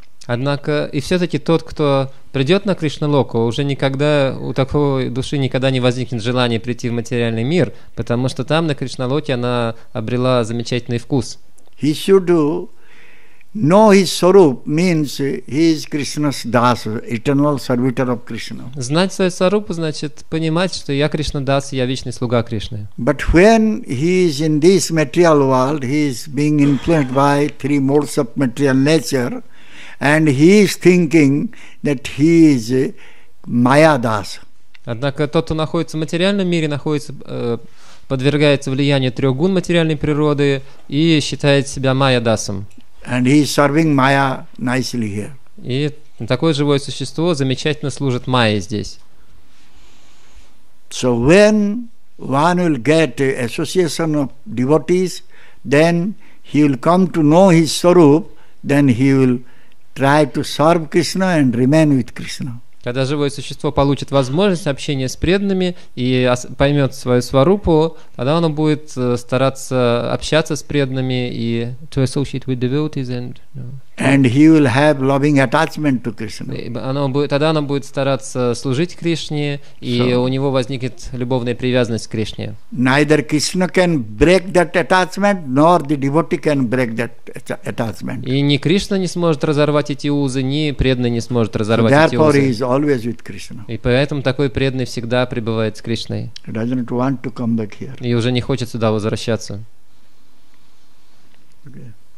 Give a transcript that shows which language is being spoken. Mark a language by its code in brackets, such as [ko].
[ru] Однако и все-таки тот, кто придет на Кришналоку, уже никогда у такой души никогда не возникнет желания прийти в материальный мир, потому что там на Кришналоке она обрела замечательный вкус. [en] He should know his sorup means he is Krishna's das, eternal servitor of Krishna. [ru] Знать свой сорup значит понимать, что я Кришнадас, я вечный слуга Кришны. [en] But when he is in this material world, he is being influenced by three modes of material nature. And he is thinking that he is Maya Das. [ru] Однако тот, кто находится в материальном мире, находится, подвергается влиянию трех гун материальной природы и считает себя Maya Dasом. [en] And he is serving Maya nicely here. [ru] И такое живое существо замечательно служит Майе здесь. [en] So when one will get association of devotees, then he will come to know his sorup, then he will try to serve Krishna and remain with Krishna. [ru] Когда живое существо получит возможность общения с преданными и поймет свою сварупу, тогда оно будет стараться общаться с преданными и [en] to associate with devotees and, you know, and he will have loving attachment to Krishna. [ru] Тогда оно будет стараться служить Кришне, и у него возникнет любовная привязанность к Кришне. [en] Neither Krishna can break that attachment, nor the devotee can break that attachment. [ru] И ни Кришна не сможет разорвать эти узы, ни преданный не сможет разорвать эти [en] therefore [ru] узы. [en] He is always with Krishna. [ru] И поэтому такой преданный всегда пребывает с Кришной. [en] He doesn't want to come back here. [ru] И уже не хочет сюда возвращаться. [en] Okay.